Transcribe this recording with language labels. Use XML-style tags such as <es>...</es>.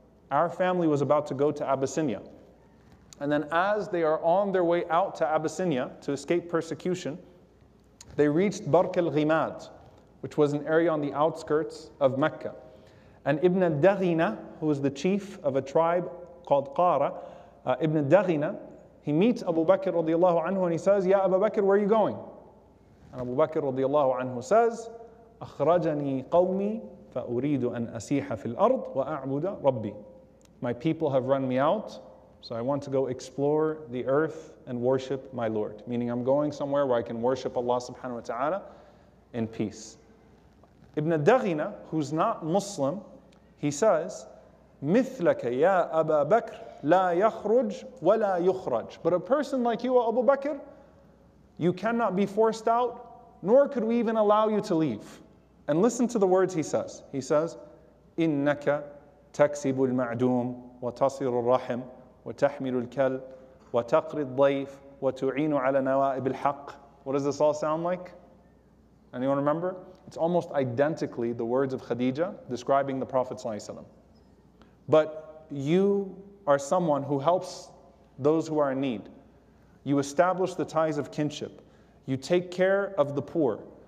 <en>Our family was about to go to Abyssinia. And then as they are on their way out to Abyssinia to escape persecution, they reached Barq al-Ghimad, which was an area on the outskirts of Mecca. And Ibn al-Daghina, who was the chief of a tribe called Qara, Ibn al-Daghina, he meets Abu Bakr radiallahu anhu and he says, Ya Abu Bakr, where are you going? And Abu Bakr radiallahu anhu says,</en> <ar>أخرجني قومي فأريد أن أسيح في الأرض وأعبد ربي.</ar> <en>My people have run me out, so I want to go explore the earth and worship my Lord. Meaning I'm going somewhere where I can worship Allah subhanahu wa ta'ala in peace. Ibn al-Daghina, who's not Muslim, he says,</en> <ar>مثلك يا أبا بكر لا يخرج ولا يخرج.</ar> <en>But a person like you, Abu Bakr, you cannot be forced out, nor could we even allow you to leave. And listen to the words he says. He says,</en> <ar>إنك تكسب المعدوم وتصير الرحم وتحمل الكل وتقري الضيف وتعين على نوائب الحق.</ar> <en>What does this all sound like? Anyone remember? It's almost identically the words of Khadija describing the Prophet ﷺ. But you are someone who helps those who are in need. You establish the ties of kinship. You take care of the poor.</en>